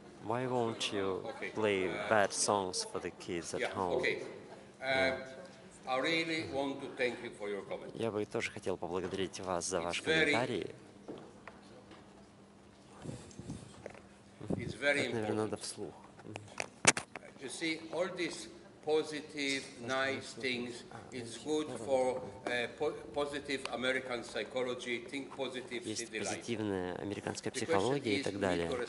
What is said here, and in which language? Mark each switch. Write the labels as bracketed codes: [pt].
[en] Why won't you play bad songs for the kids at home? I really want to thank you for your comment. [ru] Я бы тоже хотел поблагодарить вас за ваш комментарий. [en] It's very important. [ru] Наверное, надо вслух. [en] You see, all these positive, nice things, it's good for positive American psychology, think positive, see the light. [ru] Есть позитивная американская психология и так далее.